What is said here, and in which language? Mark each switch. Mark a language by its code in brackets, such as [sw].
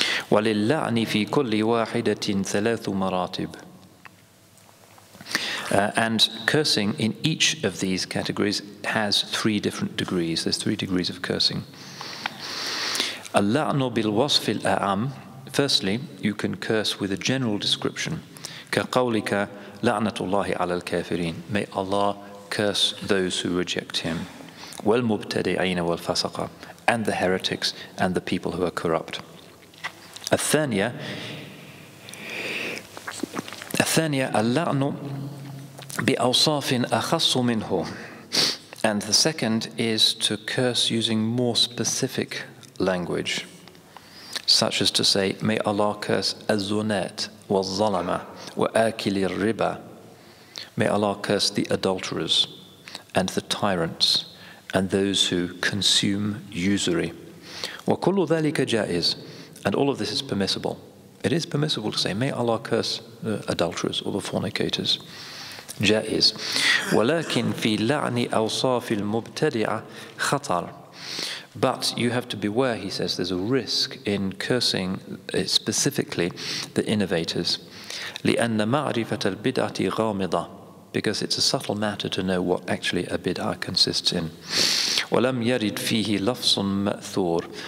[ar] وللعن في كل واحدة ثلاث مراتب. [en] And cursing in each of these categories has three different degrees. There's three degrees of cursing. [ar] اللعن بالوصف الأعم. [en] Firstly, you can curse with a general description. [ar] كقولك لعنة الله على الكافرين. [en] May Allah curse those who reject him. [ar] والمبتدعين والفسقة. [en] And the heretics and the people who are corrupt. [ar] الثانية اللعن بأوصاف أخص منه. [en] And the second is to curse using more specific language, such as to say, may Allah curse [ar] الزنات والظلمة وآكل الربا. [en] May Allah curse the adulterers and the tyrants and those who consume usury. [ar] وكل ذلك جائز. [en] And all of this is permissible. It is permissible to say, may Allah curse the adulterers or the fornicators. [ar] جائز. ولكن في لعن أوصاف المبتدعة خطر. [en] But you have to beware, he says, there's a risk in cursing specifically the innovators. [ar] لأن معرفة البدعة غامضة. [en] Because it's a subtle matter to know what actually a bid'ah consists in. [ar] وَلَمْ يَرِدْ فِيهِ لَفْصٌ مَأْثُورٌ.